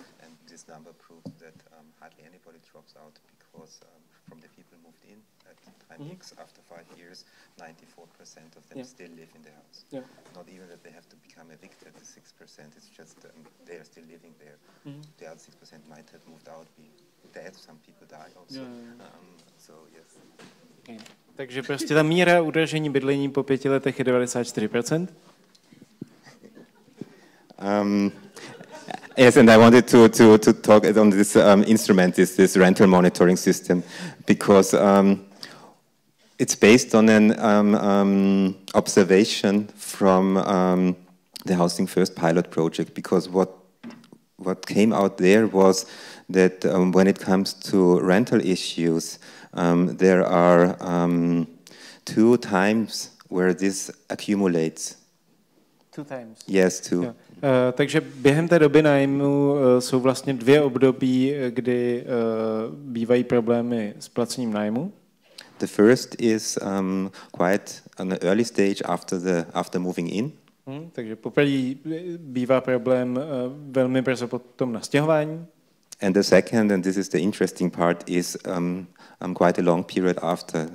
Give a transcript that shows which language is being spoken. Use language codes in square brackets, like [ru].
[en] And this number proves that hardly anybody drops out because from the people moved in at time X after 5 years, 94% of them still live in the house. Yeah. Not even that they have to become evicted, the 6%, it's just they are still living there. Mm-hmm. The other 6% might have moved out, be dead, some people die also. Yeah. So, yes. Okay. [cs] Takže prostě ta míra udržení bydlení po 5 letech je 94%. [en] Yes, and I wanted to talk on this instrument, this rental monitoring system, because it's based on an observation from the Housing First pilot project. Because what came out there was that when it comes to rental issues, there are two times where this accumulates. Two times. Yes, two. Yeah. [cs] Takže během té doby nájmu jsou vlastně dvě období, kdy bývají problémy s placením nájmu. [en] The first is quite an early stage after moving in. [cs] Takže poprvé bývá problém velmi brzo po tom nastěhování. [en] And the second, and this is the interesting part, is quite a long period after.